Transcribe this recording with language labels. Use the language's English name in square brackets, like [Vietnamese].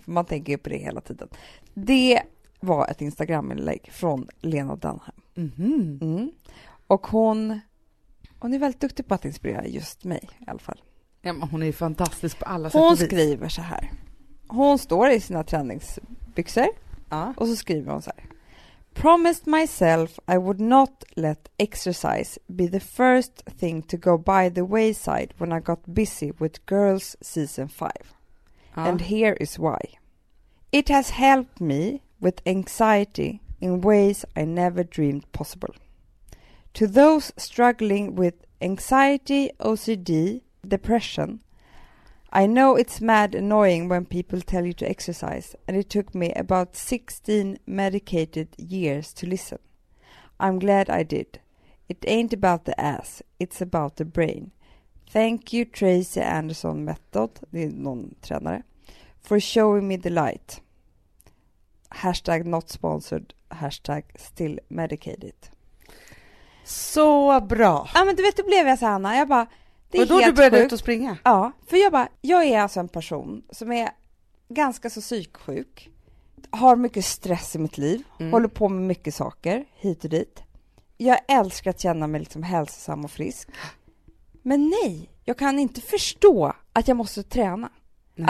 [Swedish] För man tänker ju på det hela tiden. Det var ett Instagram-inlägg från Lena Dunham. Och hon är väldigt duktig på att inspirera just mig i alla fall. Ja, men hon är ju fantastisk på alla sätt. Hon skriver så här. Hon står i sina träningsbyxor. Och så skriver hon så här. [English] Promised myself I would not let exercise be the first thing to go by the wayside when I got busy with Girls season 5. And here is why. It has helped me with anxiety in ways I never dreamed possible. To those struggling with anxiety, OCD, depression, I know it's mad annoying when people tell you to exercise, and it took me about 16 medicated years to listen. I'm glad I did. It ain't about the ass, it's about the brain. Thank you, Tracy Anderson Method, [Swedish] det är någon tränare, [English] for showing me the light. Hashtag not sponsored, hashtag still medicated. [Swedish] Så bra! Ja, men du vet, det blev jag så här, Anna. Jag bara... Det är, och då du började ut och springa? Ja, för jag är alltså en person som är ganska så psyksjuk. Har mycket stress i mitt liv. Mm. Håller på med mycket saker hit och dit. Jag älskar att känna mig liksom hälsosam och frisk. Men nej, jag kan inte förstå att jag måste träna. Nej.